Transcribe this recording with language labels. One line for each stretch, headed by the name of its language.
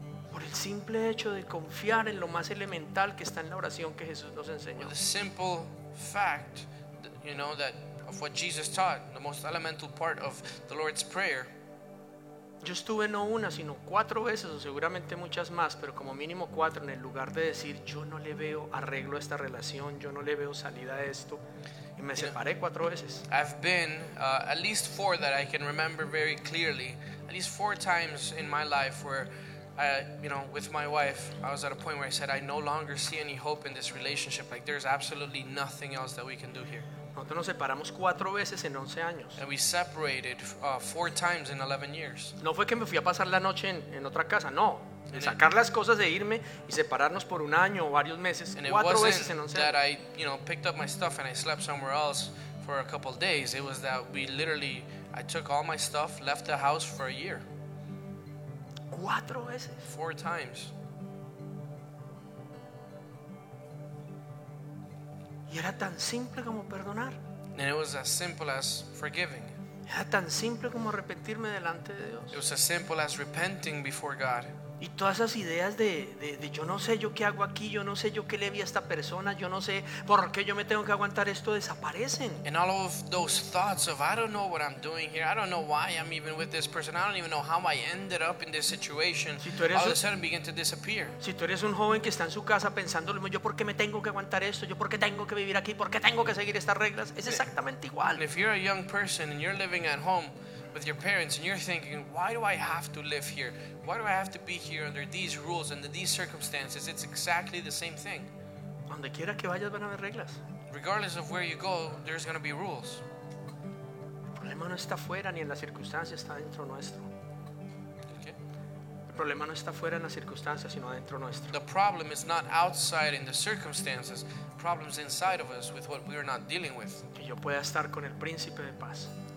Spanish: Por el simple hecho de confiar en lo más elemental que está en la oración que Jesús nos enseñó.
English: The simple fact. You know that of what Jesus taught, the most elemental part of the Lord's Prayer.
Spanish: Yo estuve no una, sino cuatro veces, o seguramente muchas más, pero como mínimo cuatro, en el lugar de decir, yo no le veo arreglo a esta relación, yo no le veo salida a esto, y me separé cuatro veces.
English: I've been at least four that I can remember very clearly, at least four times in my life where with my wife, I was at a point where I said, I no longer see any hope in this relationship. Like, there's absolutely nothing else that we can do here.
Spanish: Nosotros nos separamos cuatro veces en 11 años.
English: And we separated four times in 11 years.
Spanish: No fue que me fui a pasar la noche en otra casa, no. En sacar las cosas de irme y separarnos por un año o varios meses, cuatro veces en 11 años.
English: And it wasn't that I, you know, picked up my stuff and I slept somewhere else for a couple of days. It was that we literally, I took all my stuff, left the house for a year.
Spanish: Cuatro veces.
English: Four times.
Spanish: Y era tan simple como perdonar.
English: And it was as simple as forgiving.
Spanish: Era tan simple como arrepentirme delante de Dios.
English: It was as simple as repenting before God.
Spanish: Y todas esas ideas de yo no sé yo qué hago aquí, yo no sé yo qué le vi a esta persona, yo no sé por qué yo me tengo que aguantar esto, desaparecen.
English: And all of those thoughts of I don't know what I'm doing here, I don't know why I'm even with this person, I don't even know how I ended up in this situation,
Spanish: si tú eres
English: all of a sudden begin to disappear.
Spanish: Si tú eres un joven que está en su casa pensando, yo por qué me tengo que aguantar esto, yo por qué tengo que vivir aquí, por qué tengo que seguir estas reglas, es exactamente igual.
English: And if you're a young person and you're living at home with your parents and you're thinking, why do I have to live here? Why do I have to be here under these rules and these circumstances? It's exactly the same thing.
Spanish: Donde quiera que vayas, van a haber reglas.
English: Regardless of where you go, there's going to be rules.
Spanish: El problema no está fuera ni en las circunstancias, está dentro nuestro.
English: Okay.
Spanish: El problema no está fuera en las circunstancias, sino dentro nuestro.
English: The problem is not outside in the circumstances. The problem is inside of us with what we are not dealing with.
Spanish: Que yo pueda estar con el Príncipe de Paz.